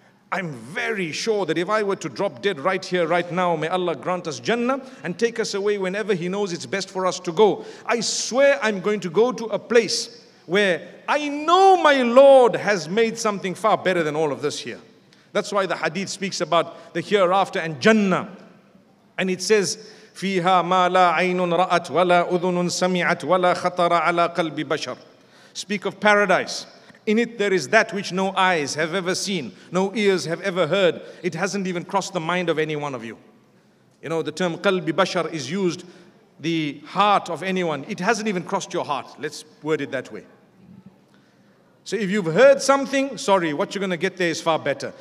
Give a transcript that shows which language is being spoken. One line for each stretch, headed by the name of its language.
English: I'm very sure that if I were to drop dead right here, right now, may Allah grant us Jannah and take us away whenever He knows it's best for us to go. I swear I'm going to go to a place where I know my Lord has made something far better than all of this here. That's why the hadith speaks about the hereafter and Jannah. And it says
Arabic: فيها ما لا عين رأت ولا أذن سمعت ولا خطر على قلب بشر.
English: Speak of paradise. In it there is that which no eyes have ever seen, no ears have ever heard. It hasn't even crossed the mind of any one of you. You know, the term qalbi bashar is used, the heart of anyone. It hasn't even crossed your heart. Let's word it that way. So if you've heard something, sorry, what you're going to get there is far better.